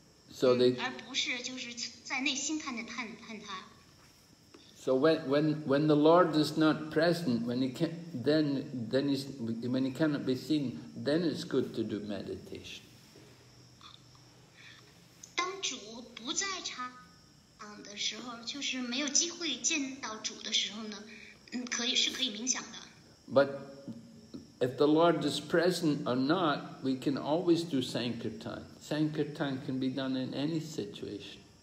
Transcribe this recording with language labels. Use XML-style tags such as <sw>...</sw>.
<en>So when the Lord is not present, when he cannot be seen, then it's good to do meditation.</en> <zh>当主不在场的时候，就是没有机会见到主的时候呢，可以冥想的。</zh> <en>But if the Lord is present or not, we can always do Sankirtan. Sankirtan can be done in any situation.</en>